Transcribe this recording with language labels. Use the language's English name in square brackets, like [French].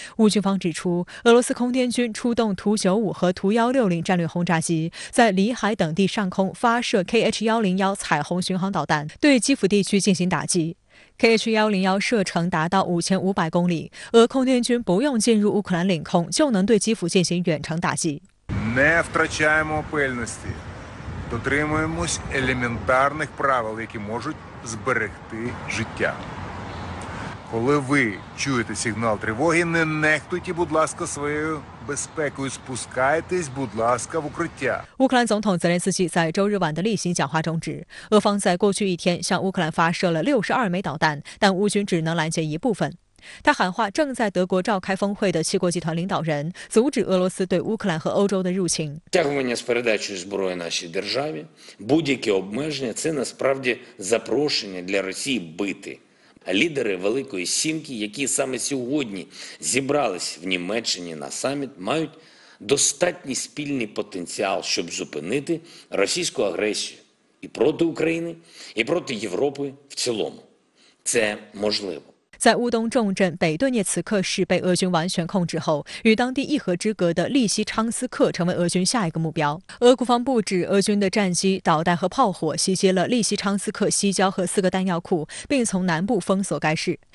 [Chinese] 乌军方指出，俄罗斯空天军出动图-95和图-160战略轰炸机，在里海等地上空发射 KH-101 彩虹巡航导弹，对基辅地区进行打击。 KH-101 射程达到5500公里，俄空天军不用进入乌克兰领空，就能对基辅进行远程打击。 [Ukrainian] Не втрачаємо пильності, дотримуємось елементарних правил, які можуть зберегти життя. Коли ви чуєте сигнал тривоги, не нехтуйте, будь ласка, своєю безпекою, спускайтесь, будь ласка, в укриття. [Chinese] 乌克兰总统泽连斯基在周日晚的例行讲话中指，俄方在过去一天向乌克兰发射了62枚导弹，但乌军只能拦截一部分。他喊话正在德国召开峰会的七国集团领导人阻止俄罗斯对乌克兰和欧洲的入侵。 [Ukrainian] Стягування з передачею зброї нашій державі, будь-які обмеження – це насправді запрошення для Росії бити. Лідери Великої сімки, які саме сьогодні зібрались в Німеччині на саміт, мають достатній спільний потенціал, щоб зупинити російську агресію і проти України, і проти Європи в цілому. Це можливо. [Chinese] 在乌东重镇北顿涅茨克市被俄军完全控制后，与当地一河之隔的利西昌斯克成为俄军下一个目标。俄国防部指，俄军的战机、导弹和炮火袭击了利西昌斯克西郊和四个弹药库，并从南部封锁该市。